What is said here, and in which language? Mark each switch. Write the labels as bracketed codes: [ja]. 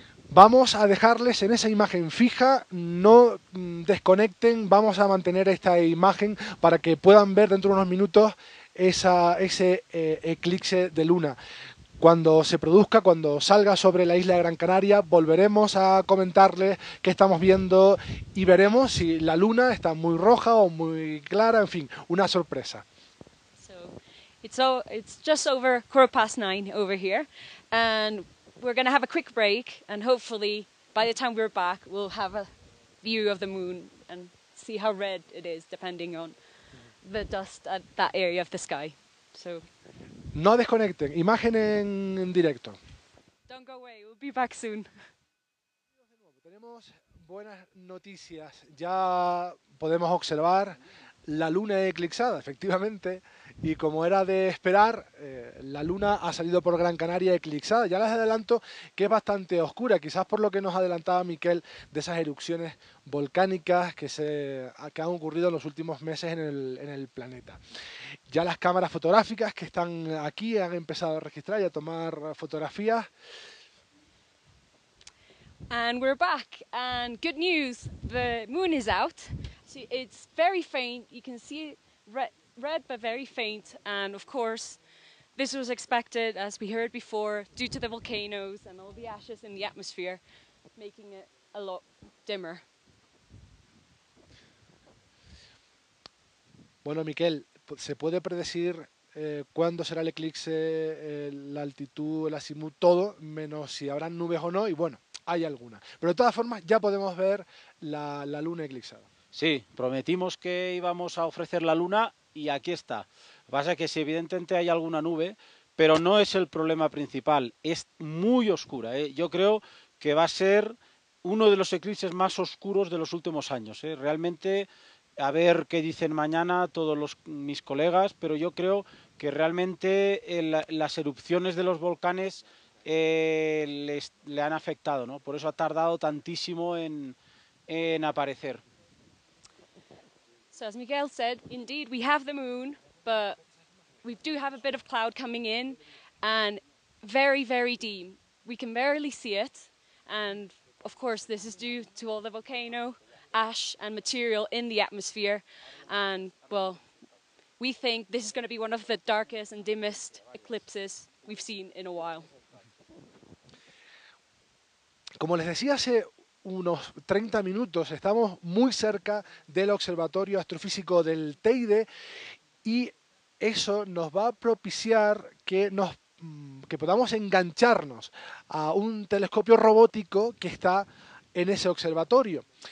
[es] Vamos a dejarles en esa imagen fija, no desconecten, vamos a mantener esta imagen para que puedan ver dentro de unos minutos ese eclipse de luna. Cuando se produzca, cuando salga sobre la isla de Gran Canaria, volveremos a comentarles qué estamos viendo y veremos si la luna está muy roja o muy clara, en fin, una sorpresa. [en] So, it's just over 9:15 over here, and we're going to have a quick break, and hopefully by the time we're back we'll have a view of the moon and see how red it is depending on the dust at that area of the sky. So, [es] no desconecten, imagen en directo. [en] Don't go away, we'll be back soon. [es] Tenemos buenas noticias, ya podemos observar la luna eclipsada, efectivamente, y como era de esperar, la luna ha salido por Gran Canaria eclipsada. Ya les adelanto que es bastante oscura, quizás por lo que nos adelantaba Miquel de esas erupciones volcánicas que han ocurrido en los últimos meses en el planeta. Ya las cámaras fotográficas que están aquí han empezado a registrar y a tomar fotografías. [en] And we're back, and good news, the moon is out. See, it's very faint, you can see red but very faint, and of course this was expected, as we heard before, due to the volcanoes and all the ashes in the atmosphere making it a lot dimmer. [es] Bueno, Miquel, ¿se puede predecir cuándo será el eclipse, la altitud, el azimut, todo, menos si habrán nubes o no? Y bueno, hay alguna. Pero de todas formas, ya podemos ver la luna eclipsada. Sí, prometimos que íbamos a ofrecer la luna y aquí está. Lo que pasa es que sí, evidentemente hay alguna nube, pero no es el problema principal. Es muy oscura, ¿eh? Yo creo que va a ser uno de los eclipses más oscuros de los últimos años, ¿eh? Realmente, a ver qué dicen mañana todos mis colegas, pero yo creo que realmente las erupciones de los volcanes le han afectado, ¿no? Por eso ha tardado tantísimo en aparecer. [en] So as Miguel said, indeed we have the moon, but we do have a bit of cloud coming in, and very, very dim. We can barely see it, and of course this is due to all the volcano ash and material in the atmosphere, and well, we think this is going to be one of the darkest and dimmest eclipses we've seen in a while. [es] Como les decía hace unos 30 minutos, estamos muy cerca del Observatorio Astrofísico del Teide y eso nos va a propiciar que podamos engancharnos a un telescopio robótico que está en ese observatorio.